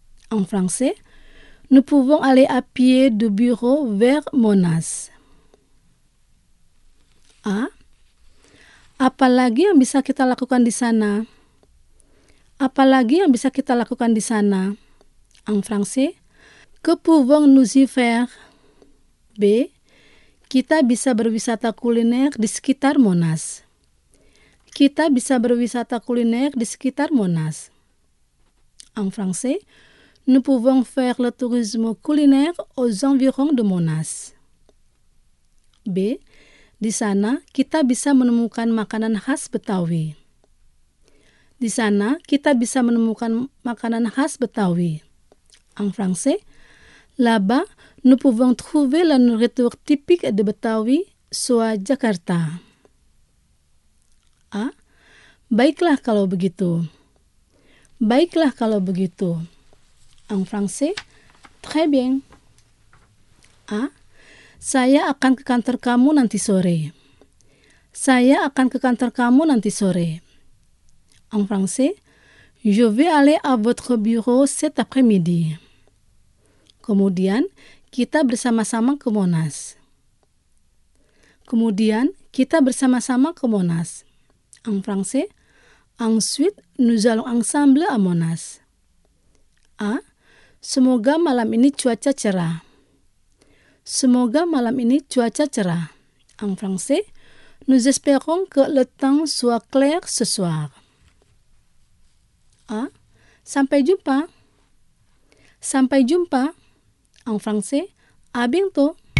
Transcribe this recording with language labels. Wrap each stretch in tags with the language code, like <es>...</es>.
<fr>En français, nous pouvons aller à pied du bureau vers Monas. A.</fr> <id>Apalagi yang bisa kita lakukan di sana? Apalagi yang bisa kita lakukan di sana?</id> <fr>En français, que pouvons-nous y faire? B.</fr> <id>Kita bisa berwisata kuliner di sekitar Monas. Kita bisa berwisata kuliner di sekitar Monas.</id> <fr>En français, nous pouvons faire le tourisme culinaire aux environs de Monas. B.</fr> <id>Di sana, kita bisa menemukan makanan khas Betawi. Di sana, kita bisa menemukan makanan khas Betawi.</id> <fr>En français, là-bas, nous pouvons trouver la nourriture typique de Betawi, soit Jakarta.</fr> <id>A. Baiklah kalau begitu. Baiklah kalau begitu.</id> <fr>En français, très bien. A.</fr> <id>Saya akan ke kantor kamu nanti sore. Saya akan ke kantor kamu nanti sore.</id> <fr>En français, je vais aller à votre bureau cet après-midi.</fr> <id>Kemudian, kita bersama-sama ke Monas. Kemudian, kita bersama-sama ke Monas.</id> <fr>En français, ensuite, nous allons ensemble à Monas. A.</fr> <id>Semoga malam ini cuaca cerah. Semoga malam ini cuaca cerah.</id> <fr>En français, nous espérons que le temps soit clair ce soir.</fr> <id>A. Sampai jumpa. Sampai jumpa.</id> <fr>En français, à bientôt.</fr>